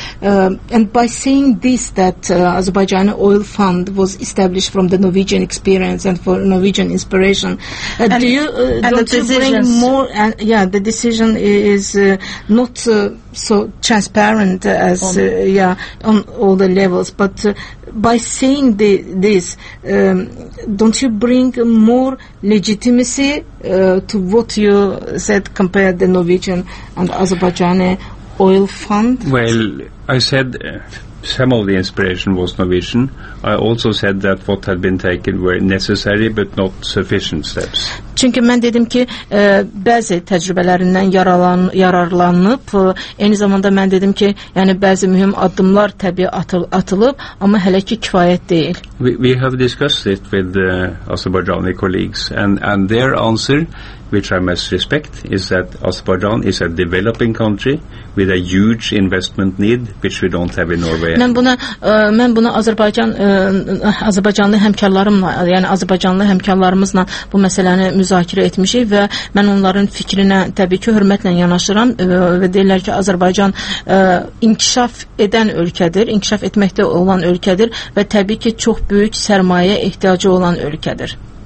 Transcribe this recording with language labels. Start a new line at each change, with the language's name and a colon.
English: And by saying this, that Azerbaijani Oil Fund was established from the Norwegian experience and for Norwegian inspiration, the decision is not so transparent as on all the levels, but by saying this, don't you bring more legitimacy to what you said compared the Norwegian and Azerbaijani oil fund? Well, I said some of the inspiration was Norwegian. I also said that what had been taken were necessary but not sufficient steps.
Azerbaijani: Çünkü mən dedim ki, bəzi təcrübələrindən yararlanıb, eyni zamanda mən dedim ki, yəni bəzi mühüm addımlar təbii atılıb, amma hələ ki kifayət deyil.
English: We have discussed it with the Azerbaijani colleagues and their answer, which I must respect, is that Azerbaijan is a developing country with a huge investment need which we don't have in Norway.
Azerbaijani: Mən bunu Azərbaycanlı həmkarlarımla, yəni Azərbaycanlı həmkarlarımızla bu məsələni müzakirə etmişik və mən onların fikrinə təbii ki hörmətlə yanaşıram və deyirlər ki, Azərbaycan inkişaf edən ölkədir, inkişaf etməkdə olan ölkədir və təbii ki çox böyük sərmayə ehtiyacı olan ölkədir.